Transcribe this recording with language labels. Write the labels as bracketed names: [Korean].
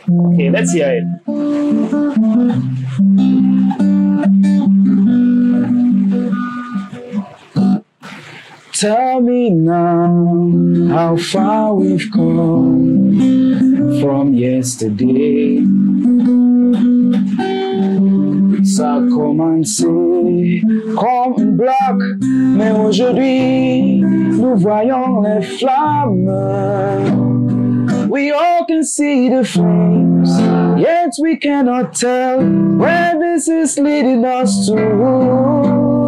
[English] Okay, let's hear it. Tell me now how far we've come from yesterday. [French] Ça commence, comme un bloc, mais aujourd'hui nous voyons les flammes. [English] We all can see the flames, yet we cannot tell where this is leading us to.